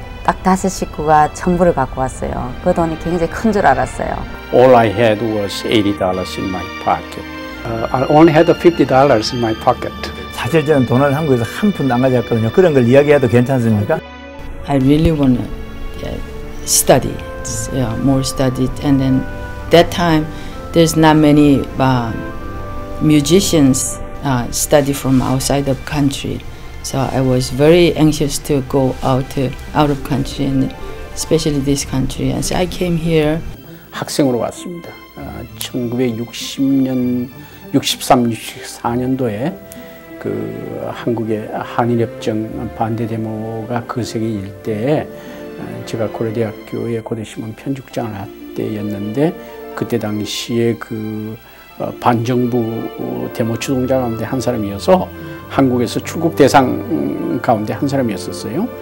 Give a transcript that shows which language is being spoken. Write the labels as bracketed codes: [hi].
[ko] 딱 다섯 식구가 1000불을 갖고 왔어요. 그 돈이 굉장히 큰 줄 알았어요. [en] All I had was $80 in my pocket. I only had $50 in my pocket. [ko] 사실 저는 돈을 한국에서 한 푼도 안 가져왔거든요. 그런 걸 이야기해도 괜찮습니까? [en] I really want to study, more studied. And then that time, there's not many musicians study from outside of country. So I was very anxious to go out of country, and especially this country. And so I came here. [ko] 학생으로 왔습니다. 1960년, 63, 64년도에 그 한국의 한일협정 반대 데모가 거세게 일 때에 제가 고려대학교의 고대신문 편집국장을 할 때였는데 그때 당시에 그 반정부 데모 추동자 가운데 한 사람이어서 한국에서 출국 대상 가운데 한 사람이었었어요.